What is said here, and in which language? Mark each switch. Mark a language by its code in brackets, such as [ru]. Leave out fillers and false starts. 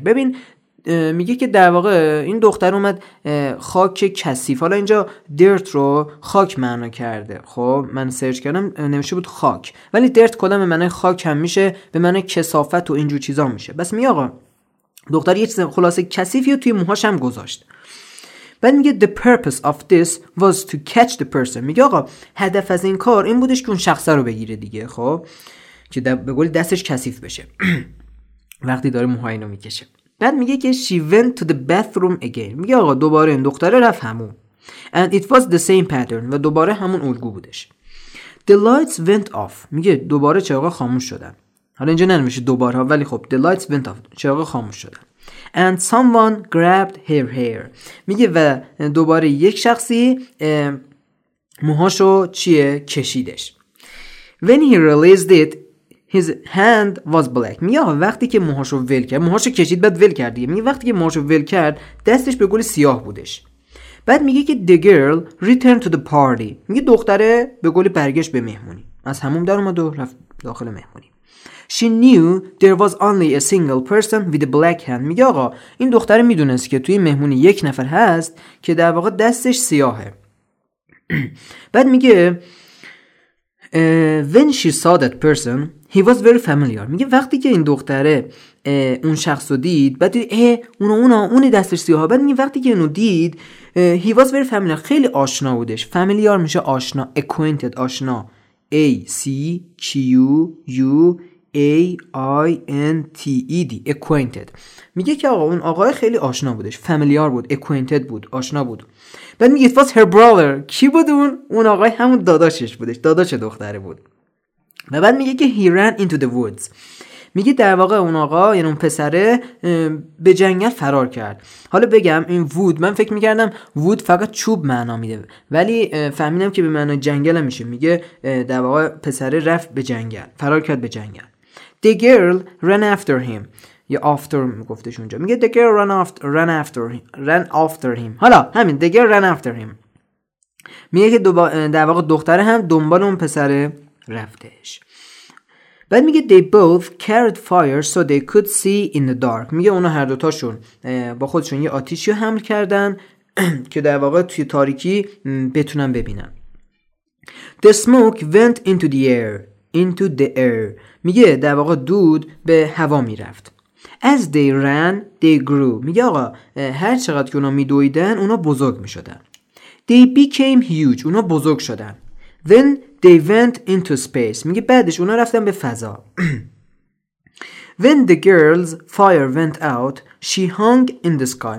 [fa] ببین میگه که در واقع این دختر اومد خاک کثیف، حالا اینجا dirt رو خاک معنا کرده، خب من سرچ کردم نمیشه بود خاک، ولی dirt کلمه معنی خاک هم میشه، به معنی کثافت و اینجور چیزا میشه. بس میگه آقا دختر یه چیز خلاصه کثیفی رو توی موهاش هم گذاشت. بعد میگه [en] the purpose of this was to catch the person. [fa] میگه آقا هدف از این کار این بودش که اون شخص رو بگیره دیگه، خب که به قول دستش کثیف بشه وقتی داره موهای اینو میکشه. بعد میگه که [en] she went to the bathroom again. [fa] میگه آقا دوباره این دختره رفت همون. [en] And it was the same pattern. [fa] و دوباره همون الگو بودش. [en] The lights went off. [fa] میگه دوباره چراغ خاموش شدن. حالا اینجا ننمیشه دوباره، ولی خب [en] the lights went off. [fa] چراغ خاموش شدن. [en] And someone grabbed her hair. [fa] میگه و دوباره یک شخصی موهاشو چیه؟ کشیدش. [en] When he released it his hand was black. [fa] میگه آقا وقتی که موهاشو ول کرد، موهاشو کشید بعد ول کرد، میگه وقتی که موهاشو ول کرد دستش به گل سیاه بودش. بعد میگه که [en] the girl returned to the party. [fa] میگه دختره به گل برگشت به مهمونی، از حموم در اومد و رفت داخل مهمونی. [en] She knew there was only a single person with a black hand. [fa] میگه آقا این دختره میدونست که توی مهمونی یک نفر هست که در واقع دستش سیاهه. بعد میگه [en] when she saw that person he was very familiar. [fa] میگه وقتی که این دختره اون شخصو دید، بعد دید اونی دستش سیاه، بعد میگه وقتی که اونو دید [en] he was very familiar، [fa] خیلی آشنا بودش. familiar میشه آشنا، acquainted آشنا، acquainted. acquainted میگه که آقا اون آقای خیلی آشنا بودش، familiar بود، acquainted بود، آشنا بود. بعد میگه [en] it was her brother. [fa] کی بود اون؟ اون آقای همون داداشش بودش، داداش دختره بود. و بعد میگه که [en] he ran into the woods. [fa] میگه در واقع اون آقا یعنی اون پسره به جنگل فرار کرد. حالا بگم این wood، من فکر میکردم wood فقط چوب معنا میده، ولی فهمیدم که به معنای جنگل هم میشه. میگه در واقع پسره رفت به جنگل، فرار کرد به جنگل. [en] the girl ran after him. [fa] یا after میگفتش اونجا. [en] میگه the girl ran after him. [fa] حالا همین [en] the girl ran after him. [fa] میگه که در واقع دختره هم دنبال اون پسره رفتش. [en] بعد میگه they both carried fire so they could see in the dark. [fa] میگه اونا هر دوتاشون با خودشون یه آتیشی حمل کردن که در واقع توی تاریکی بتونن ببینن. [en] the smoke went into the air. into the air [fa] میگه در واقع دود به هوا میرفت. [en] as they ran they grew. [fa] میگه آقا هر چقدر که اونا میدویدن اونا بزرگ میشدن. [en] they became huge. [fa] اونا بزرگ شدن. [en] then they went into space. [fa] میگه بعدش اونا رفتن به فضا. [en] when the girl's fire went out she hung in the sky.